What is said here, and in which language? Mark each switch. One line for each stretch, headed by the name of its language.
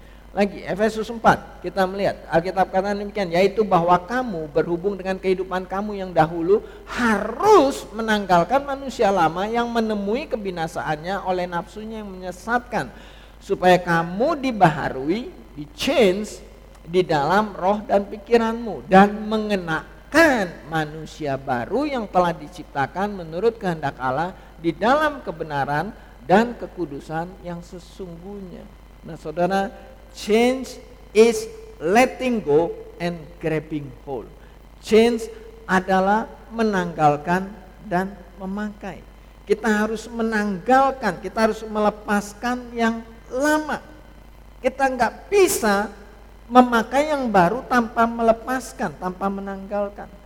Indonesian: Lagi, Efesus 4, kita melihat Alkitab kata demikian, yaitu bahwa kamu berhubung dengan kehidupan kamu yang dahulu harus menanggalkan manusia lama yang menemui kebinasaannya oleh nafsunya yang menyesatkan, supaya kamu dibaharui, di change di dalam roh dan pikiranmu, dan mengenakan manusia baru yang telah diciptakan menurut kehendak Allah di dalam kebenaran dan kekudusan yang sesungguhnya. Nah, saudara,
English: change is letting go and grabbing hold.
Indonesian: Change adalah menanggalkan dan memakai. Kita harus menanggalkan, kita harus melepaskan yang lama. Kita enggak bisa memakai yang baru tanpa melepaskan, tanpa menanggalkan.